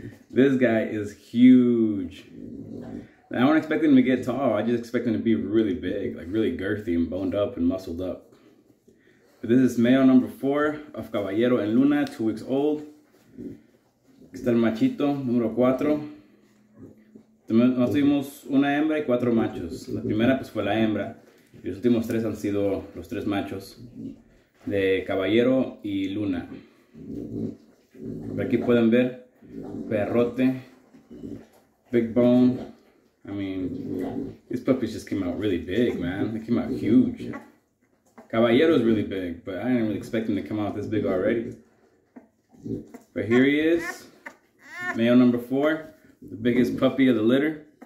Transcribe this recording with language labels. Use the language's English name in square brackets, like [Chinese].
[English] This guy is huge. Now, I don't expect him to get tall. I just expect him to be really big, like really girthy and boned up and muscled up. But this is male number four of Caballero and Luna, 2 weeks old. [Spanish] Está el machito, número 4. Nos tuvimos una hembra y 4 machos. La primera pues fue la hembra. Y los últimos 3 han sido los 3 machos de Caballero y Luna. Aquí pueden ver perrote, [English] big bone. I mean, these puppies just came out really big, man. They came out huge. Caballero is really big, but I didn't really expect him to come out this big already. But here he is, male number four, the biggest puppy of the litter.